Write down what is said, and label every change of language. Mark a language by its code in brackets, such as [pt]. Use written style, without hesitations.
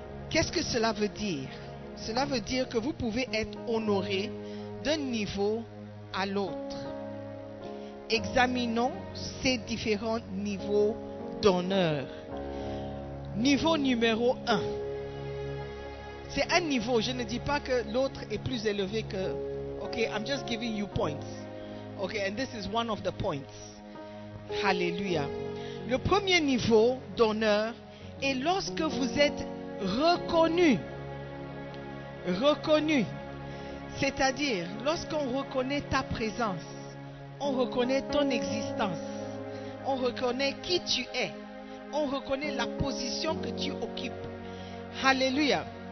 [fr] Qu'est-ce que cela veut dire? Cela veut dire que vous pouvez être honoré d'un niveau à l'autre. Examinons ces différents niveaux d'honneur. Niveau numéro 1. C'est un niveau, je ne dis pas que l'autre est plus élevé que... [en] Ok, I'm just giving you points. Ok, and this is one of the points. Hallelujah. [fr] Le premier niveau d'honneur est lorsque vous êtes reconnu. Reconnu. C'est-à-dire, lorsqu'on reconnaît ta présence, on reconnaît ton existence, on reconnaît qui tu es, on reconnaît la position que tu occupes. Hallelujah.